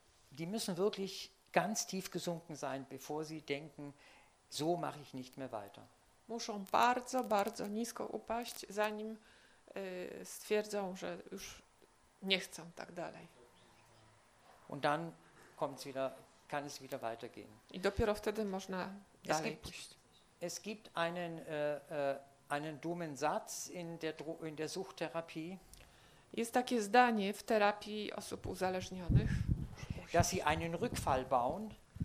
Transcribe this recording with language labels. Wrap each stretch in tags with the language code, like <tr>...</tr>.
<de>Die müssen wirklich ganz tief gesunken sein, bevor sie denken, so mache ich nicht mehr weiter.</de> <pl>Muszą bardzo, bardzo nisko upaść, zanim stwierdzą, że już nie chcą tak dalej.</pl> <de>Und dann kommt's wieder, kann es wieder weitergehen.</de> <pl>I dopiero wtedy można dalej pójść.</pl> <de>Es gibt einen dummen Satz in der Suchttherapie.</de> <pl>Jest takie zdanie w terapii osób uzależnionych,</pl> <de>dass sie einen Rückfall bauen,</de>